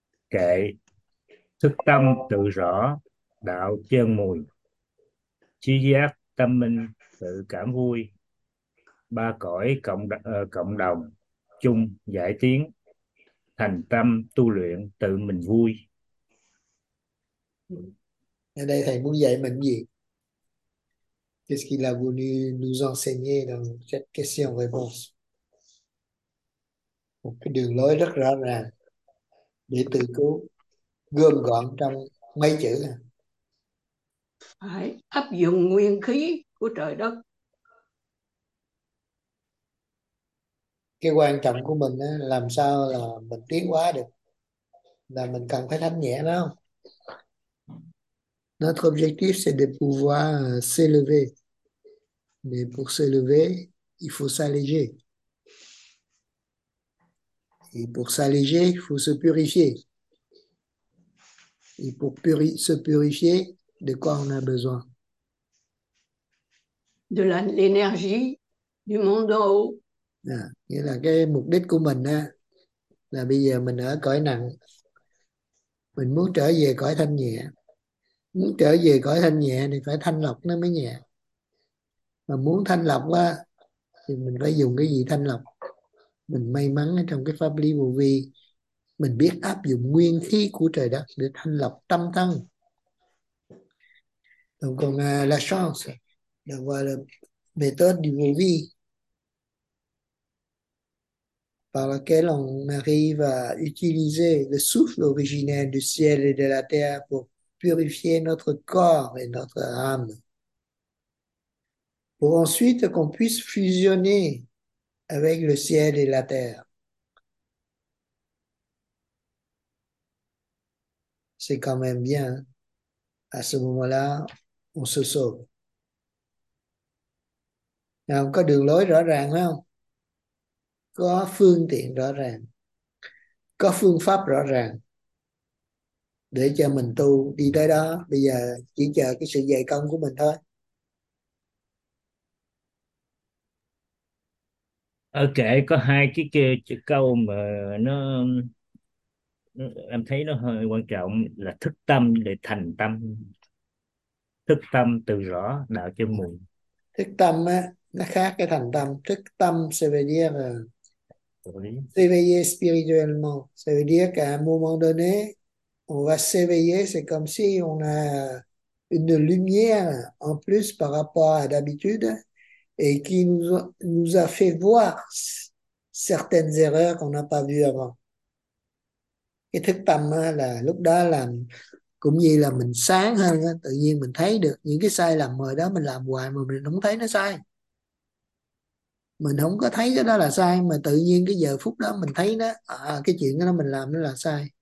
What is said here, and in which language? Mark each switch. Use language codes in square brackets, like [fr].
[vi] Kệ: Thức tâm tự rõ, đạo chân mùi, trí giác tâm minh tự cảm vui, ba cõi cộng đồng chung giải tiến, thành tâm tu luyện tự mình vui. Ở đây thầy muốn dạy mình gì? [fr] Qu'est-ce qu'il a voulu nous enseigner dans cette question-réponse? [vi] Một cái đường lối rất rõ ràng để tự cứu, gom gọn trong mấy chữ. Phải áp dụng nguyên khí của trời đất. Cái quan trọng của mình á, làm sao là mình tiến hóa được, là mình cần phải thanh nhẹ đó không? [fr] Notre objectif, c'est de pouvoir s'élever. Mais pour s'élever, il faut s'alléger. Et pour s'alléger, il faut se purifier. Et pour se purifier, de quoi on a besoin? De l'énergie du monde en haut. [vi] À, nghĩa là cái mục đích của mình á, là bây giờ mình ở cõi nặng, mình muốn trở về cõi thanh nhẹ. Muốn trở về cõi thanh nhẹ thì phải thanh lọc nó mới nhẹ. Mà muốn thanh lọc quá thì mình phải dùng cái gì thanh lọc? Mình may mắn ở trong cái pháp lý vô vi, mình biết áp dụng nguyên khí của trời đất để thanh lọc tâm thân. [fr] Donc on a la chance d'avoir la méthode du vô vi par laquelle on arrive à utiliser le souffle originel du ciel et de la terre pour purifier notre corps et notre âme, pour ensuite qu'on puisse fusionner avec le ciel et la terre. C'est quand même bien. À ce moment-là, on se sauve. [vi] Alors, có đường lối rõ ràng không? Có phương tiện rõ ràng. Có phương pháp rõ ràng. Để cho mình tu đi tới đó, bây giờ chỉ chờ cái sự dày công của mình thôi. Ở kể có hai cái kia chữ câu mà nó em thấy nó hơi quan trọng là thức tâm để thành tâm. Thức tâm từ rõ đạo cho mùi. Thức tâm á, nó khác cái thành tâm. Thức tâm sẽ về đi là [fr] s'éveiller spirituellement, ça veut dire qu'à un moment donné on va s'éveiller, c'est comme si on a une lumière en plus par rapport à d'habitude et qui nous a fait voir certaines erreurs qu'on n'a pas vues avant. [vi] Cái thức tâm là lúc đó là cũng như là mình sáng hơn, tự nhiên mình thấy được những cái sai lầm rồi đó, mình làm hoài mà mình không thấy nó sai. Mình không có thấy cái đó là sai mà tự nhiên cái giờ phút đó mình thấy nó, cái chuyện đó mình làm nó là sai.